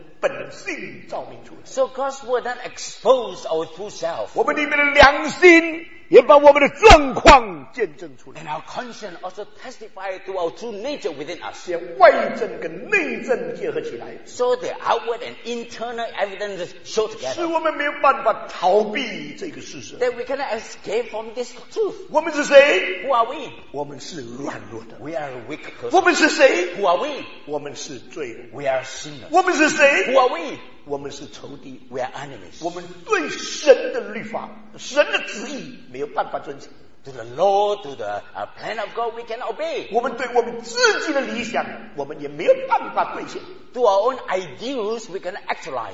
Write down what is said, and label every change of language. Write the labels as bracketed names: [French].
[Chinese] 这样神的话把我们的本性照明出来。 [English] So God's word then expose our true self. [Chinese] 我们里面的良心也把我们的状况见证出来。 [English] And our conscience also testify to our true nature within us. [Chinese] 这样外证跟内证结合起来。 [English] So the outward and internal evidence show together. [Chinese] 使我们没有办法逃避这个事实。 [English] That we cannot escape from this truth. [Chinese] 我们是谁？ [English] Who are we? [Chinese] 我们是软弱的。 [English] We are a weak person. [Chinese] 我们是谁？ [English] Who are we? [Chinese] 我们是罪人。 [English] We are sinners. [Chinese] 我们是谁？ [English] Who are we? [Chinese] 我们是仇敌。 [English] We are enemies. [Chinese] 我们对神的律法，神的旨意没有办法遵行。 [English] To the law, to the plan of God, we cannot obey. [Chinese] 我们对我们自己的理想，我们也没有办法兑现。 [English] To our own ideals, we cannot actualize.